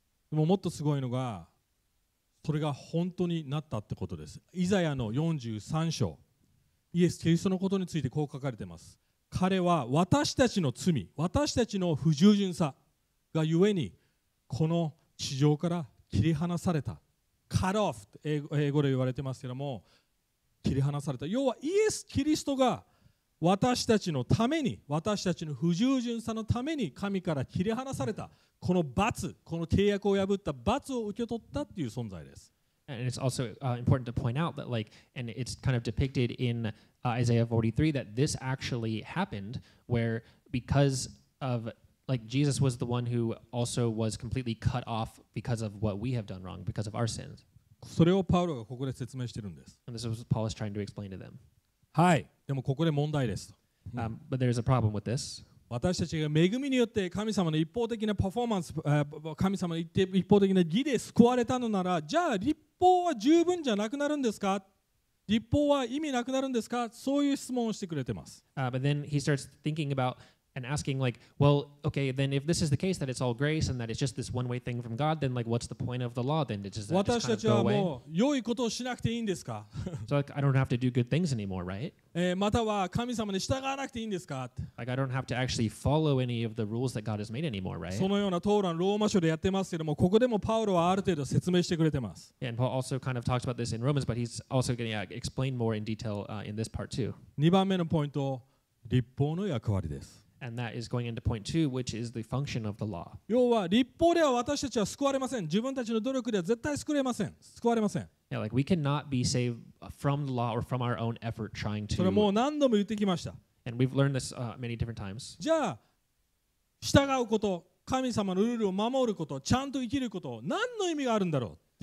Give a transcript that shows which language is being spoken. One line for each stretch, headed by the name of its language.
Japanese: でももっとすごいのが、それが本当になったってことです。イザヤの43章、イエス・キリストのことについてこう書かれています。彼は私たちの罪、私たちの不従順さがゆえに、この地上から切り離された。 Cut off、英語で言われてますけども、切り離された。要はイエス・キリストが私たちのために、私たちの不従順さのために神から切り離された。この罰、この契約を破った罰を受け取ったっていう存在です。
English: And it's also、important to point out that, like, and it's kind of depicted in、Isaiah 43 that this actually happened where because of, like, Jesus was the one who also was completely cut off because of what we have done wrong, because of our sins.
Japanese: それをパウロがここで説明してるんです。
English: And this is what Paul is trying to explain to them.
Japanese: はい。でもここで問題です。
English: But there is a problem with this.
Japanese: 私たちが恵みによって神様の一方的なパフォーマンス、神様の一方的な義で救われたのなら、じゃあ律法は十分じゃなくなるんですか？律法は意味なくなるんですか？そういう質問をしてくれてます。
English: But then he starts thinking aboutAnd asking like, well, okay, then if this is the case that it's all grace and that it's just this one-way thing from God, then like, what's the point of the law then? Does that just kind of go away?
Japanese: 私たちはもう良いことをしなくていいんですか?
English: So like, I don't have to do good things anymore, right?
Japanese: または神様に従わなくていいんですか?
English: Like, I don't have to actually follow any of the rules that God has made anymore, right?
Japanese: そのような討論ローマ書でやってますけども、ここでもパウロはある程度説明してくれてます。
English: Yeah, and Paul also kind of talks about this in Romans, but he's also going to explain more in detail in this part too.
Japanese: 2番目のポイント、律法の役割です。
English: And that is going into point two, which is the function of the law.
Japanese: 要は律法では私たちは救われません。自分たちの努力では絶対救われません。救われません。
English: Yeah, like we cannot be saved from the law or from our own effort trying to.
Japanese: それもう何度も言ってきました。
English: And we've learned this many different times.
Japanese: じゃあ従うこと、神様のルールを守ること、ちゃんと生きること、何の意味があるんだろう。